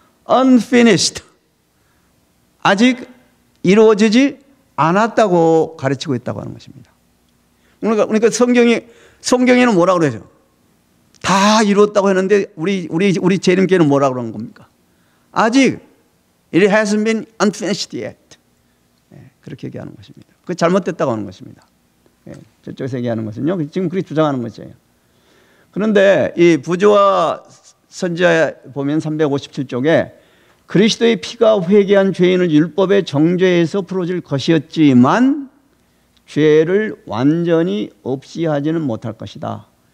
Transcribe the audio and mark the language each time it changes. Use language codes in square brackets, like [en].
[en] Unfinished. [ko] 아직 이루어지지 않았다고 가르치고 있다고 하는 것입니다. 그러니까 성경에는 뭐라고 그러죠? 다 이루었다고 했는데 우리 재림교회는 뭐라고 그러는 겁니까? 아직 [en] it hasn't been unfinished yet. [ko] 네, 그렇게 얘기하는 것입니다. 그 잘못됐다고 하는 것입니다. 네, 저쪽에서 얘기하는 것은요. 지금 그렇게 주장하는 것이에요. 그런데 이 부조와 선지자 보면 357쪽에 그리스도의 피가 회개한 죄인을 율법의 정죄에서 풀어줄 것이었지만 죄를 완전히 없이 하지는 못할 것이다.